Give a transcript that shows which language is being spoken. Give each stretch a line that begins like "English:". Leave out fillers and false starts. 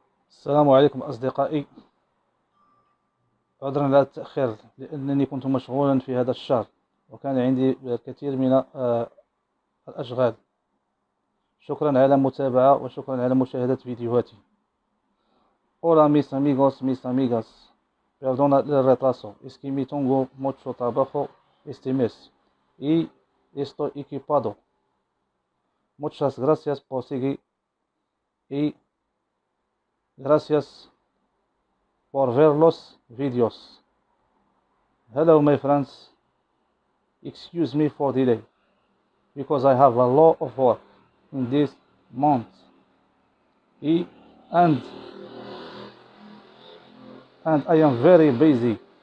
Arabic: السلام عليكم أصدقائي، عذرا على التأخير لأنني كنت مشغولا في هذا الشهر وكان عندي الكثير من الأشغال. شكرا على المتابعة وشكرا على مشاهدة فيديوهاتي.
Spanish: Hola mis amigos mis amigas، perdona el retraso، es que me tengo mucho trabajo este mes y estoy equipado. Muchas gracias por seguir y gracias por ver los videos.
English: Hello, my friends. Excuse me for delay, because I have a lot of work in this month. And I am very busy.